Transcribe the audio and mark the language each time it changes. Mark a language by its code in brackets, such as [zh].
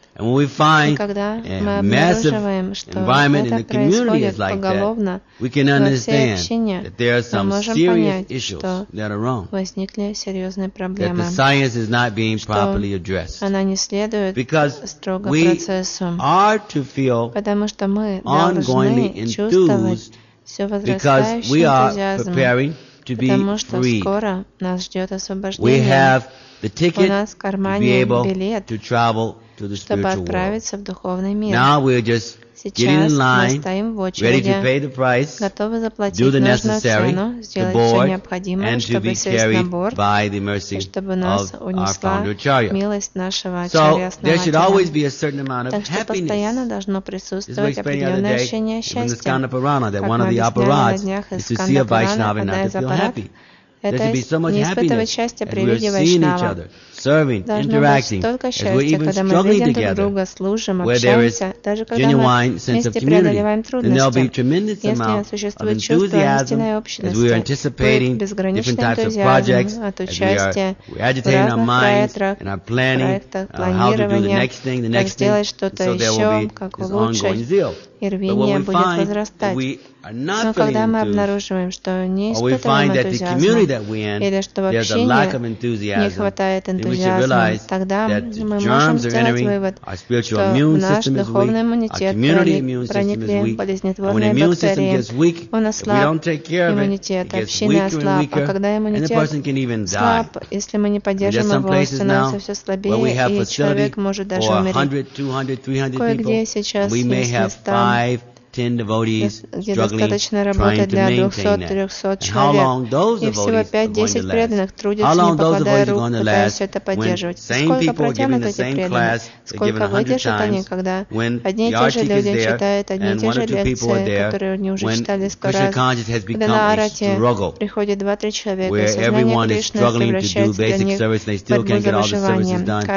[ru] И когда мы обнаруживаем, что это происходит поголовно во всей общине, мы можем понять, что возникли серьезные проблемы, что она не следует строго процессу, потому что мы должны чувствовать все возрастающий энтузиазм, [en] to be free. We have the ticket to be able to travel to the spiritual world. Now we're just getting in line, ready to pay the price, do the necessary, the board, and to be carried by the mercy of our founder, Acharya. So there should always be a certain amount of happiness. As we explained the other day, in the Skanda Purana, that one of the aparats is to see a Vaishnava and not to feel happy. There should be so much happiness as we are seeing each other, serving, interacting, as we are even struggling together, where there is a genuine sense of community, then there will be a tremendous amount of enthusiasm as we are anticipating different types of projects, as we are agitating our minds and our planning how to do the next thing, so there will be this ongoing zeal. [ru] Рвение будет возрастать. Но когда мы обнаруживаем, что не испытываем энтузиазм, или что в общении не хватает энтузиазма, тогда мы можем сделать вывод, что наш духовный иммунитет проникли болезнетворные бактерии. У нас слаб иммунитет, общение слаб. А когда иммунитет слаб, если мы не поддержим его, он становится все слабее, и человек может даже умереть. Кое-где сейчас есть места, [en] 5-10 devotees struggling, trying to maintain that. How long those devotees are going to last? How long those devotees are going to last when same people are given the same class, they're given 100 times, when the article is there, and one or two people are there, when Krishna consciousness has become a struggle, where everyone is struggling to do basic service, they still can't get all the services done.